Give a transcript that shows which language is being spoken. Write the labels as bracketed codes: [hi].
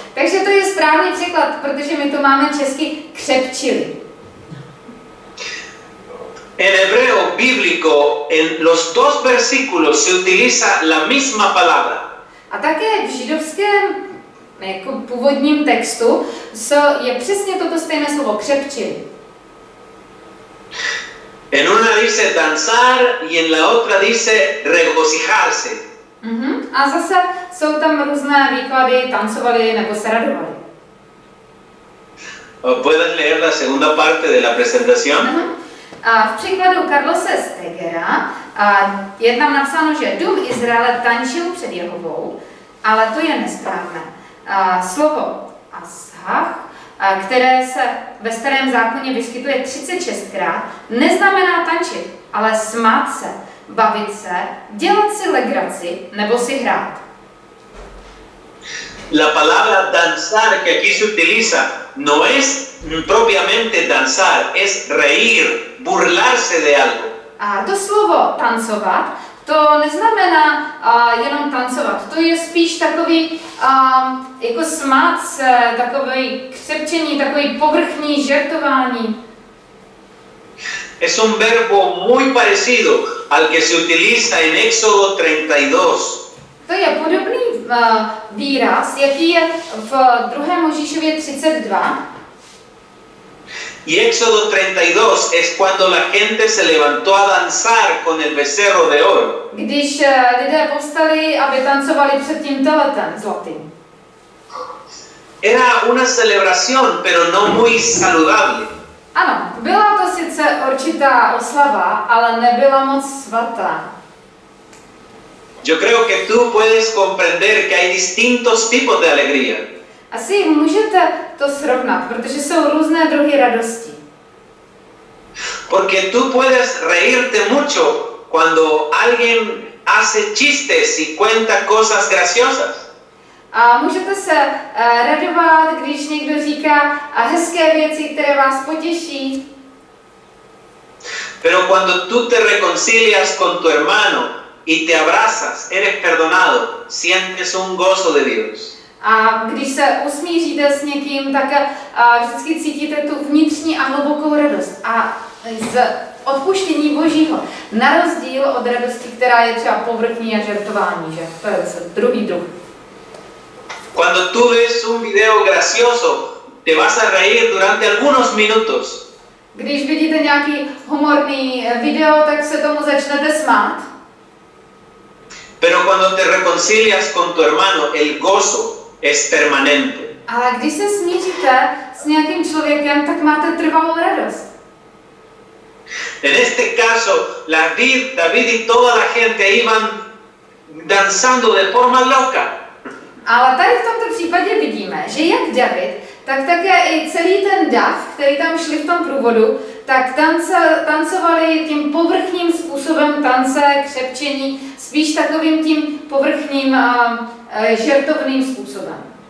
[cs] Takže to je správný překlad, protože my to máme česky křepčili. [es] En hebreo bíblico, en los dos versículos se utiliza la misma palabra. [cs] A také v židovském jako původním textu je přesně toto stejné slovo křepčili. [es] En una dice danzar y en la otra dice regocijarse. [cs] A zase jsou tam různé výklady, tancovali nebo se radovali. [es] ¿Puedes leer la segunda parte de la presentación? [cs] A v příkladu Carlose Stegera je tam napsáno, že dům Izraele tančil před Jehovou, ale to je nesprávné. Slovo Asach, které se ve Starém zákoně vyskytuje 36krát, neznamená tančit, ale smát se, bavit se, dělat si legraci nebo si hrát. [es] La palabra danzar que aquí se utiliza no es propiamente danzar, es reír, burlarse de algo. [cs] A to slovo tancovat, to neznamená jenom tancovat, to je spíš takový jako smát se, takový křepčení, takový povrchní žertování. [es] Es un verbo muy parecido al que se utiliza en Éxodo 32. [cs] To je podobný výraz, jaký je v 2. Mojžíšově 32. [es] Y Éxodo 32 es cuando la gente se levantó a danzar con el becerro de oro. [cs] Když lidé postali, aby tancovali před tím teletem zlatým. [es] Era una celebración, pero no muy saludable. [cs] Ano, byla to sice určitá oslava, ale nebyla moc svatá. [es] Yo creo que tú puedes comprender que hay distintos tipos de alegría. [cs] Asi můžete to srovnat, protože jsou různé druhy radosti. [es] Porque tú puedes reírte mucho cuando alguien hace chistes y cuenta cosas graciosas. [cs] A můžete se radovat, když někdo říká hezké věci, které vás potěší. [es] Pero cuando tú te reconcilias con tu hermano y te abrazas, eres perdonado, sientes un gozo de Dios. [cs] A když se usmíříte s někým, tak vždycky cítíte tu vnitřní a hlubokou radost. A z odpuštění Božího, na rozdíl od radosti, která je třeba povrchní a žertování, že? To je zase druhý druh. [es] Cuando tú ves un video gracioso, te vas a reír durante algunos minutos. [cs] Když vidíte nějaký humorný video, tak se tomu začnete smát. [es] Pero cuando te reconcilias con tu hermano, el gozo es permanente. [cs] A když se smíříte s nějakým člověkem, tak máte trvalou radost. [es] En este caso, David y toda la gente iban danzando de forma loca. [cs] Ale tady v tomto případě vidíme, že jak David, tak také i celý ten dav, který tam šli v tom průvodu, tak tancovali tím povrchním způsobem tance, křepčení, spíš takovým tím povrchním žertovným způsobem.